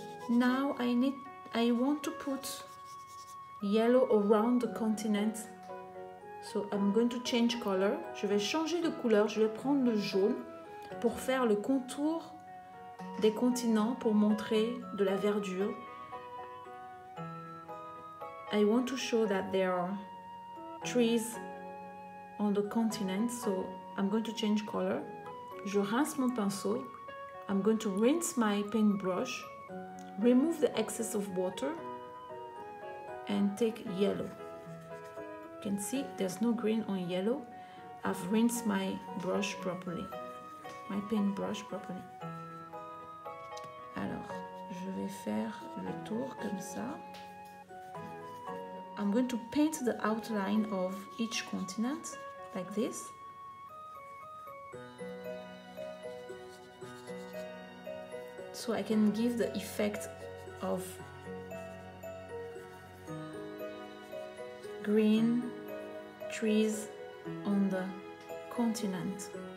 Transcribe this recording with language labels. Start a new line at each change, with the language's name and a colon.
English: Now I want to put yellow around the continent. So I'm going to change color.
French: Je vais changer de couleur, je vais prendre le jaune pour faire le contour des continents pour montrer de la verdure.
English: I want to show that there are trees on the continent, so I'm going to change color.
French: Je rince mon pinceau.
English: I'm going to rinse my paintbrush. Remove the excess of water and take yellow. You can see there's no green on yellow. I've rinsed my brush properly. My paintbrush properly.
French: Alors, je vais faire le tour comme ça.
English: I'm going to paint the outline of each continent like this. So I can give the effect of green trees on the continent.